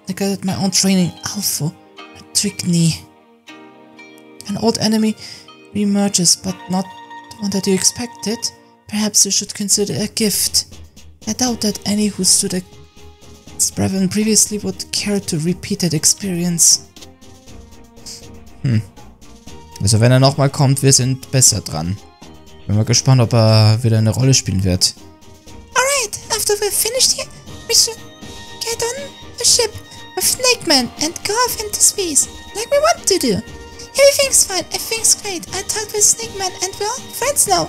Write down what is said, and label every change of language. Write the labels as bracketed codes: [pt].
[en] I got my own training alpha. A trick knee. An old enemy re-emerges, but not the one that you expected. Perhaps you should consider a gift. I doubt that any who stood a Brevin previously would care to repeat that experience. [de] Also wenn er nochmal kommt, wir sind besser dran. Bin mal gespannt, ob er wieder eine Rolle spielen wird. [en] Alright, after we're finished here, we should get on a ship with Snake Man and go off into space, like we want to do. Everything's fine, everything's great. I talked with Snake Man and we're all friends now.